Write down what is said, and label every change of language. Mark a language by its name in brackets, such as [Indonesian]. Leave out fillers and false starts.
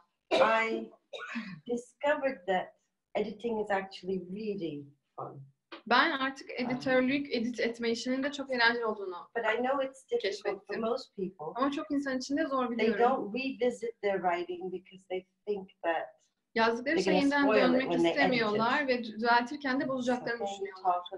[English] I discovered that editing is actually really fun. [Turkish] Ben artık editörlük, edit etme işinin de çok eğlenceli olduğunu [English] But I know it's difficult [Turkish] keşfettim. [English] For most people. [Turkish] Ama çok insan için de zor biliyorum. [English] They don't revisit their writing because they think that [Turkish] yazdıkları şey yeniden dönmek istemiyorlar ve düzeltirken de bozacaklarını düşünüyorlar.